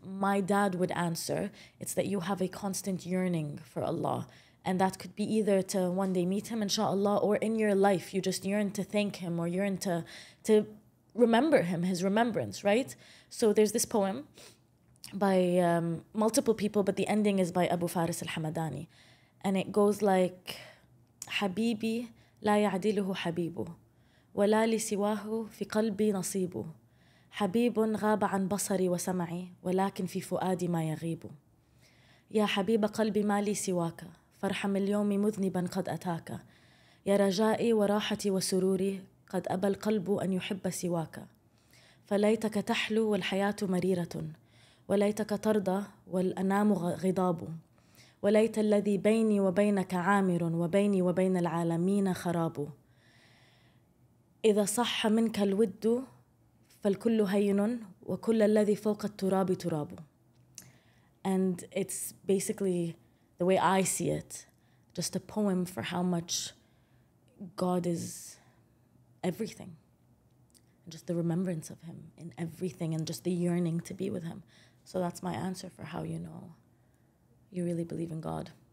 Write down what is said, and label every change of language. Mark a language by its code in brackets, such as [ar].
[en] My dad would answer. It's that you have a constant yearning for Allah. And that could be either to one day meet him, inshallah, or in your life, you just yearn to thank him or yearn to remember him, his remembrance, right? So there's this poem by multiple people, but the ending is by Abu Faris al-Hamadani. [ar] And it goes like, حبيبي لا يعدله حبيبه ولا لسواه في قلبي نصيبه حبيب غاب عن بصري وسمعي ولكن في فؤادي ما يغيب يا حبيب قلبي ما لي سواك فارحم اليوم مذنبا قد أتاك يا رجائي وراحتي وسروري قد أبى القلب أن يحب سواك فليتك تحلو والحياة مريرة وليتك ترضى والأنام غضاب وليت الذي بيني وبينك عامر وبيني وبين العالمين خراب إذا صح منك الود فالكل هين وكل الذي فوق التراب تراب. [en] And it's basically the way I see it, just a poem for how much God is everything. Just the remembrance of him in everything and just the yearning to be with him. So that's my answer for how you know you really believe in God.